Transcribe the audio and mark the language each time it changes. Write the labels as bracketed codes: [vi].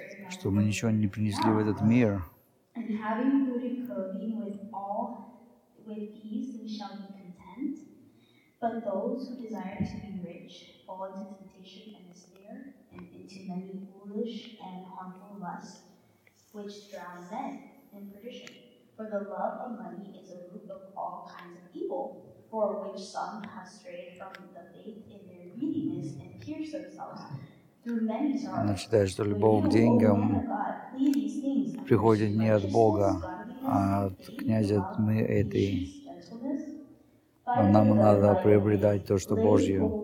[ru] Что мы ничего не принесли в этот мир. [en] And having food and clothing with peace, we shall be content. But those who desire to be rich fall into temptation and snare, and into many foolish and harmful lusts, which drown men in perdition. For the love of money is a root of all kinds of evil, for which some have strayed from the faith in their greediness and pierced themselves. [ru] Она считает, что любовь к деньгам приходит не от Бога, а от князя тьмы этой. Нам надо приобретать то, что Божье.